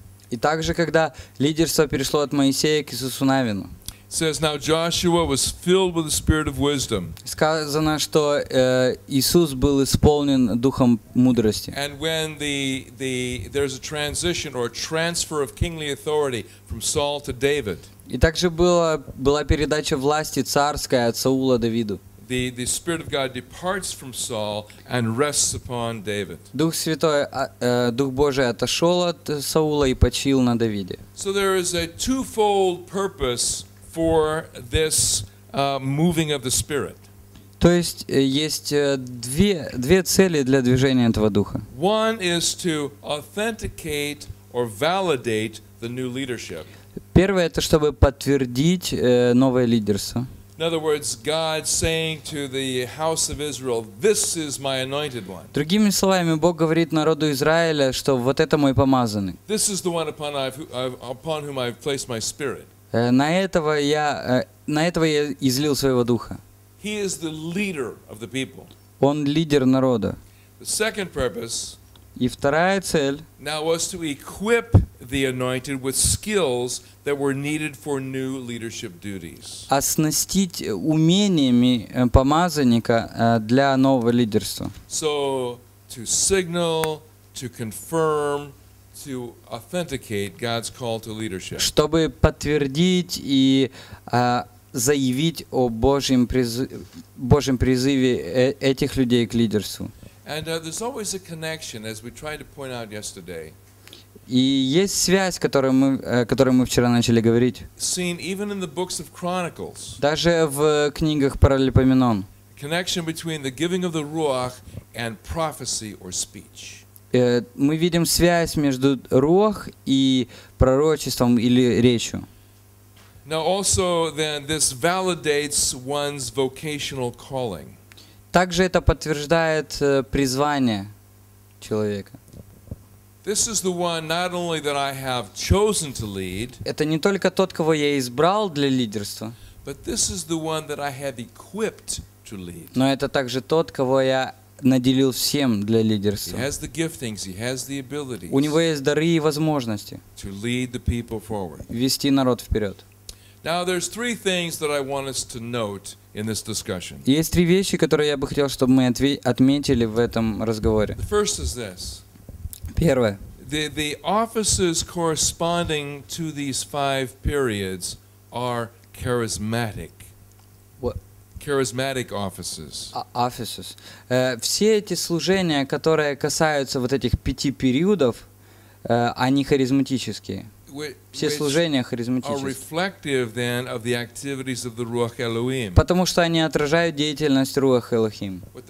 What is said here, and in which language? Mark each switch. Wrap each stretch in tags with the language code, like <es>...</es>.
<ru>И также когда лидерство перешло от Моисея к Иисусу Навину.</ru> <en>Says now Joshua was filled with the spirit of wisdom.</en> <ru>Сказано, что Иисус был исполнен духом мудрости.</ru> <en>And when there's a transition or a transfer of kingly authority from Saul to David.</en> <ru>И также была передача власти царской от Саула Давиду.</ru> <en>The spirit of God departs from Saul and rests upon David.</en> <ru>Дух Святой, Дух Божий отошел от Саула и почил на Давиде.</ru> <en>So there is a twofold purpose for this moving of the Spirit.</en> <ru>То есть есть две цели для движения этого духа.</ru> <en>One is to authenticate or validate the new leadership.</en> <ru>Первое это чтобы подтвердить новое лидерство.</ru> <en>In other words, God saying to the house of Israel, "This is my anointed one."</en> <ru>Другими словами, Бог говорит народу Израиля, что вот это мой помазанный.</ru> <en>This is the one upon whom I've placed my Spirit.</en> <ru>На этого я излил своего духа.</ru> <en>He is the leader of the people.</en> <ru>Он лидер народа.</ru> <en>The second purpose.</en> <ru>И вторая цель.</ru> <en>Now was to equip the anointed with skills that were needed for new leadership duties.</en> <ru>Оснастить умениями помазанника для нового лидерства.</ru> <en>So to signal, to confirm, to authenticate God's call to leadership.</en> <ru>Чтобы подтвердить и заявить о Божьем призыве этих людей к лидерству.</ru> <en>And there's always a connection, as we tried to point out yesterday.</en> <ru>И есть связь, которую мы вчера начали говорить.</ru> <en>Seen even in the books of Chronicles.</en> <ru>Даже в книгах Паралипоменон.</ru> <en>Connection between the giving of the ruach and prophecy or speech.</en> <ru>Мы видим связь между руах и пророчеством или речью.</ru> <en>Now also then this validates one's vocational calling.</en> <ru>Также это подтверждает призвание человека.</ru> <en>This is the one not only that I have chosen to lead.</en> <ru>Это не только тот, кого я избрал для лидерства.</ru> <en>But this is the one that I have equipped to lead.</en> <ru>Но это также тот, кого я наделил всем для лидерства.</ru> <en>He has the giftings, he has the abilities.</en> <ru>У него есть дары и возможности.</ru> <en>To lead the people forward.</en> <ru>Вести народ вперед.</ru> <en>Now there's three things that I want us to note in this discussion.</en> <ru>Есть три вещи, которые я бы хотел, чтобы мы отметили в этом разговоре.</ru> <en>The first is this.</en> <ru>Первое.</ru> <en>The offices corresponding to these five periods are charismatic. What? Charismatic offices. Offices.</en> <ru>Все эти служения, которые касаются вот этих пяти периодов, они харизматические. Все служения харизматические. Потому что они отражают деятельность Руах Элохим.</ru>